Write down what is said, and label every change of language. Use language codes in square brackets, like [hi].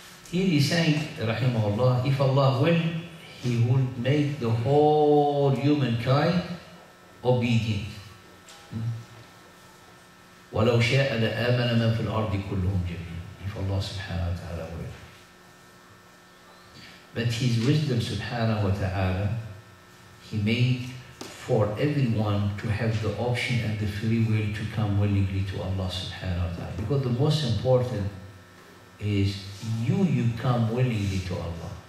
[en] Here he's saying, Rahimahullah, if Allah will, He would make the whole humankind obedient. [ar] وَلَوْ شَاءَ لَآمَنَ مَنْ فِي الْأَرْضِ كُلُّهُمْ جَمِيعًا [en] If Allah subhanahu wa ta'ala will. But His wisdom subhanahu wa ta'ala, He made for everyone to have the option and the free will to come willingly to Allah subhanahu wa ta'ala. Because the most important is you come willingly to Allah.